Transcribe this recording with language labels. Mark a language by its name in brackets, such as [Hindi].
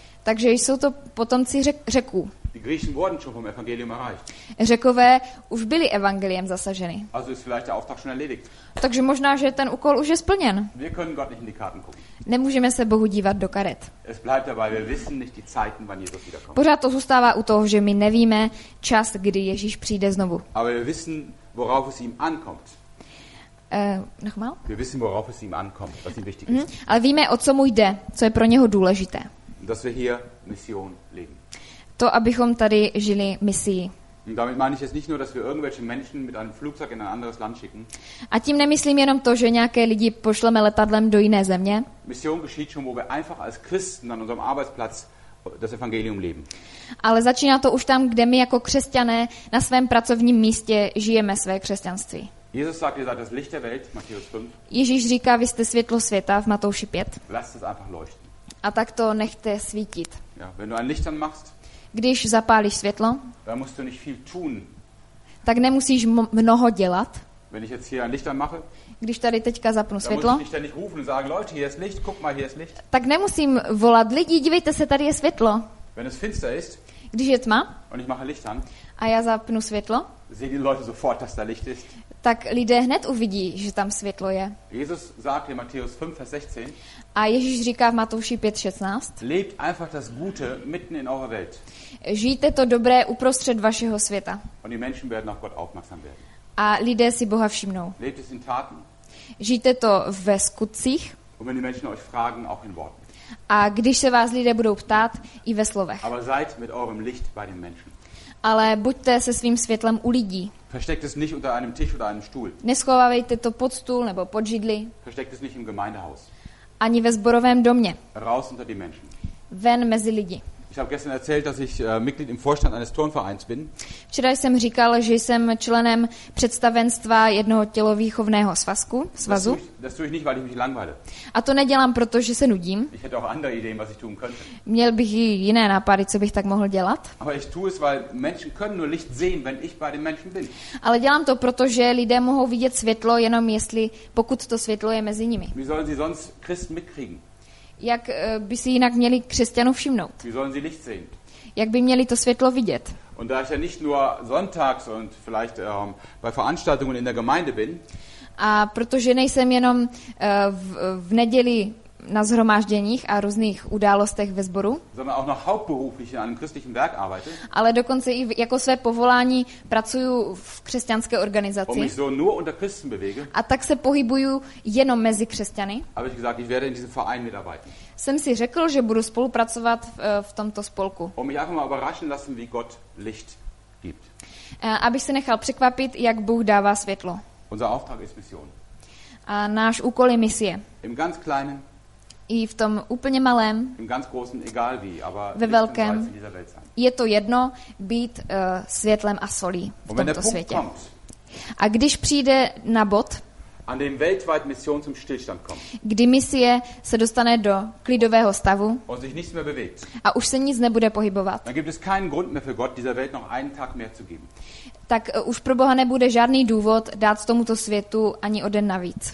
[Czech] Takže jsou to potomci Řeků. [German] Die Griechen wurden schon vom Evangelium erreicht. [Czech] Řekové už byli evangeliem zasaženy. [German] Also ist vielleicht der Auftrag schon erledigt. [Czech] Takže možná, že ten úkol už je splněn. [German] Wir können Gott nicht in die Karten gucken. [Czech] Nemůžeme se Bohu dívat do karet. [German] Es bleibt dabei, wir wissen nicht die Zeiten, wann Jesus wiederkommt. [Czech] Pořád to zůstává u toho, že my nevíme čas, kdy Ježíš přijde znovu. [German] Aber wir wissen, worauf es ihm ankommt. Nochmal? Wir wissen, worauf es ihm ankommt, was ihm wichtig ist. [Czech] Ale víme, o co mu jde, co je pro něho důležité. [German] Dass wir hier Mission leben. [Czech] To, abychom tady žili misií. [German] Damit meine ich jetzt nicht nur, dass wir irgendwelche Menschen mit einem Flugzeug in ein anderes Land schicken. [Czech] A tím nemyslím jenom to, že nějaké lidi pošleme letadlem do jiné země. [German] Mission geschieht schon, wo wir einfach als Christen an unserem Arbeitsplatz das Evangelium leben. [Czech] Ale začíná to už tam, kde my jako křesťané na svém pracovním místě žijeme své křesťanství. [German] Jesus sagt, ihr seid das Licht der Welt, Matthäus 5. [Czech] Ježíš říká, vy jste světlo světa v Matouši 5. [German] Lasst es einfach leuchten. [Czech] A tak to nechte svítit. [German] Ja, wenn du ein Licht anmachst, [Czech] když zapálíš světlo, [German] dann musst du nicht viel tun. [Czech] Tak nemusíš mnoho dělat. [German] Wenn ich jetzt hier ein Licht anmache, [Czech] když tady teďka zapnu světlo, [German] dann muss ich nicht rufen und sagen, Leute, hier ist Licht, guck mal, hier ist Licht. [Czech] Tak nemusím volat, lidi, dívejte se, tady je světlo. [German] Wenn es finster ist, [Czech] když je tma, [German] und ich mache Licht an, [Czech] a já zapnu světlo, [German] sehen die Leute sofort, dass da Licht ist. [Czech] Tak lidé hned uvidí, že tam světlo je. [German] Jesus sagt in Matthäus 5, Vers 16, [Czech] a Ježíš říká v Matouši 5:16. [German] Lebt einfach das Gute mitten in eurer Welt. [Czech] Žijte to dobré uprostřed vašeho světa. [German] Und die Menschen werden auf Gott aufmerksam werden. [Czech] A lidé si Boha všimnou. [German] Lebt es in Taten. [Czech] Žijte to ve skutcích. [German] Und wenn die Menschen euch fragen, auch in Worten. [Czech] A když se vás lidé budou ptát, i ve slovech. [German] Aber seid mit eurem Licht bei den Menschen. [Czech] Ale buďte se svým světlem u lidí. [German] Versteckt es nicht unter einem Tisch oder einem Stuhl. [Czech] Neschovávejte to pod stůl nebo pod židli. [German] Versteckt es nicht im Gemeindehaus. [Czech] Ani ve sborovém domě. [German] Raus unter die Menschen. [Czech] Ven mezi lidi. [German] Ich habe gestern erzählt, dass ich Mitglied im Vorstand eines Turnvereins bin. [Czech] Včera jsem říkal, že jsem členem představenstva jednoho tělovýchovného svazku, svazu. [German] Das tue ich nicht, weil ich mich langweile. [Czech] A to nedělám, protože se nudím. [German] Ich hätte auch andere Ideen, was ich tun könnte. [Czech] Měl bych jiné nápady, co bych tak mohl dělat. [German] Aber ich tue es, weil Menschen können nur Licht sehen, wenn ich bei den Menschen bin. [Czech] Ale dělám to, protože lidé mohou vidět světlo jenom jestli, pokud to světlo je mezi nimi. [German] Wie sollen sie sonst Christen mitkriegen? [Czech] Jak by si jinak měli křesťanů všimnout? [German] Wie sollen sie Licht sehen? [Czech] Jak by měli to světlo vidět? [German] Und da ich ja nicht nur sonntags und vielleicht bei Veranstaltungen in der Gemeinde bin. [Czech] A protože nejsem jenom v neděli na shromážděních a různých událostech ve sboru. [German] Sondern auch noch hauptberuflich in einem christlichen Werk arbeite. [Czech] Ale dokonce i jako své povolání pracuju v křesťanské organizaci. [German] Und mich so nur unter Christen bewege. [Czech] A tak se pohybuju jenom mezi křesťany. [German] Habe ich gesagt, ich werde in diesem Verein mitarbeiten. [Czech] Jsem si řekl, že budu spolupracovat v tomto spolku. [German] Und mich einfach mal überraschen lassen, wie Gott Licht gibt. [Czech] Abych se nechal překvapit, jak Bůh dává světlo. [German] Unser Auftrag ist Mission. [Czech] A náš úkol je misie. [German] Im ganz kleinen [Czech] i v tom úplně malém, [German] im ganz großen, egal wie, aber [Czech] ve velkém, je to jedno, být světlem a solí v tomto světě. A když přijde na bod, [German] an dem weltweit Mission zum Stillstand kommt, [Czech] kdy misie se dostane do klidového stavu [German] und sich nichts mehr bewegt, [Czech] a už se nic nebude pohybovat, [German] dann gibt es keinen Grund mehr für Gott, dieser Welt noch einen Tag mehr zu geben. [Czech] Tak už pro Boha nebude žádný důvod dát tomuto světu ani o den navíc.